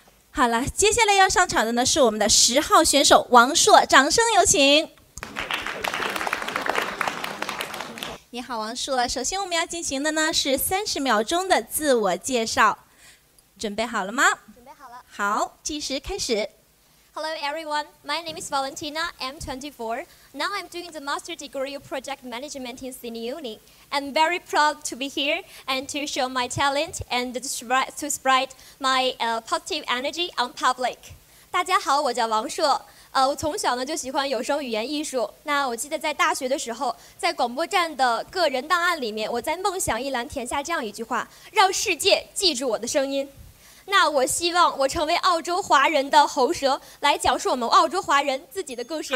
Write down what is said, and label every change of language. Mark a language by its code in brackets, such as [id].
[zh] 好了，接下来要上场的呢是我们的10号选手王硕，掌声有请。你好王硕，首先我们要进行的呢是30秒钟的自我介绍，准备好了吗？准备好了。好，计时开始。 [en] Hello everyone, my name is Valentina, I'm 24. Now I'm doing the master's degree of project management in Sydney Uni. I'm very proud to be here and to show my talent and to spread my positive energy on public. [zh] 大家好，我叫王硕。我从小呢就喜欢有声语言艺术。那我记得在大学的时候，在广播站的个人档案里面，我在梦想一栏填下这样一句话：让世界记住我的声音。那我希望我成为澳洲华人的喉舌，来讲述我们澳洲华人自己的故事。